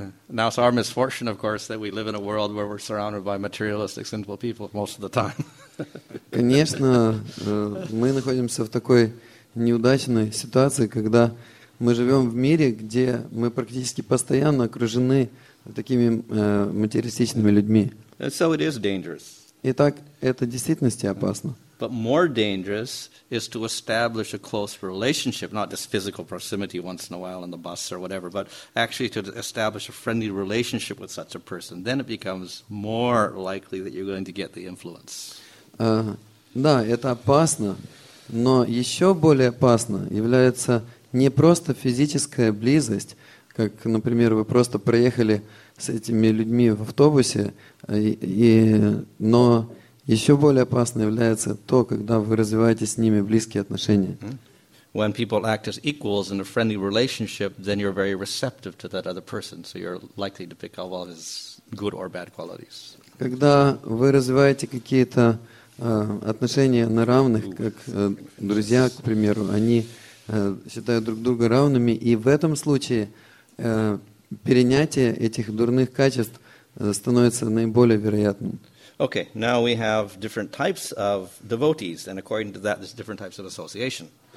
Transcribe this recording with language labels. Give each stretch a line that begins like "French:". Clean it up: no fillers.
English: Now it's our misfortune, of course, that we live in a world where we're surrounded by materialistic, sinful people most of the time.
Russian: Конечно, мы находимся в такой неудачной ситуации, когда мы живем в мире, где мы практически постоянно окружены такими материалистичными людьми.
English: And so it is dangerous.
Russian: Итак, это действительно опасно.
English: But more dangerous is to establish a close relationship, not just physical proximity once in a while in the bus or whatever, but actually to establish a friendly relationship with such a person. Then it becomes more likely that you're going to get the influence.
Russian: Да, это опасно, но еще более опасно является не просто физическая близость, как, например, вы просто проехали с этими людьми в автобусе, но еще более опасно является то, когда вы развиваете с ними близкие отношения.
English: When people act as equals in a friendly relationship, then you're very receptive to that other person, so you're likely to pick up all his good or bad qualities.
Russian: Когда вы развиваете какие-то отношения на равных, как друзья, к примеру, они считают друг друга равными, и в этом случае перенятие этих дурных качеств становится наиболее вероятным.
English: Okay, now we have different types of devotees, and according to that, there's different types of association.